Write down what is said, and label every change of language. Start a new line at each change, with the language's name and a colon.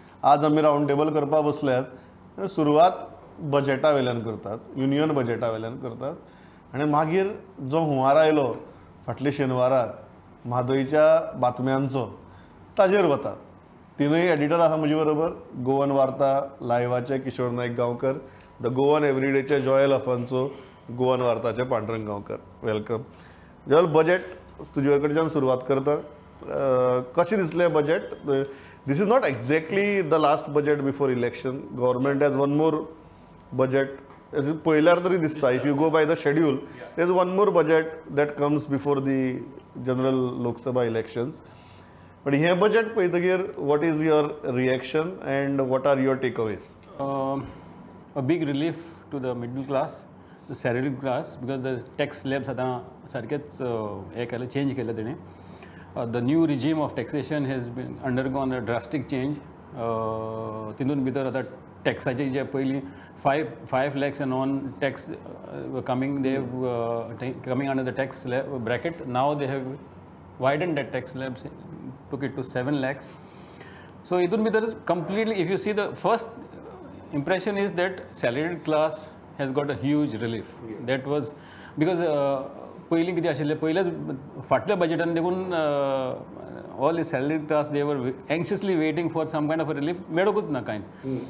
Konkani: आज आमी round table करपाक बसल्यात. सुरवात बजेटा वेल्यान करतात, युनियन बजेटा वेल्यान करतात. आनी मागीर जो हुंवार आयलो फाटले शेनवाराक म्हादयच्या बातम्यांचो, ताजेर वतात. तिनूय एडिटर आसा म्हजे बरोबर, गोवन वार्ता लायव्हाचे किशोर नायक गांवकर, द गोवन एवरीडेचे जॉयल अफांचो गोवन वार्ताचे पांडुरंग गांवकर. वेलकम जॉयल. बजेट तुजे कडच्यान सुरवात करता. कशें दिसलें budget?
English: This is not exactly the last budget before election. Government has one more budget.
Konkani: पळयल्यार तरी दिसता,
English: If you go by the schedule, there is one more budget that comes before the general Lok Sabha elections. But
Konkani: हें बजेट पळयतकीर
English: What is your reaction and what are your takeaways? A big relief to the middle class, the salary class, because the tax slabs
Konkani: आतां सारकेंच हें केलें, चेंज केलें तेणें.
English: The new regime of taxation has been undergone a drastic change.
Konkani: तितून भितर आतां टॅक्साचे जे पयलीं
English: 5 lakhs and on tax coming they coming under the tax slab bracket, now they have widened that tax slabs, took it to 7 lakhs. So,
Konkani: itun bhitar
English: completely, if you see, the first impression is that salaried class has got a huge relief. That was because
Konkani: pahile kiti ashile, pahile fatle budget an dekhun
English: all the salaried class, they were anxiously waiting for some kind of a relief,
Konkani: medokut na
English: kind.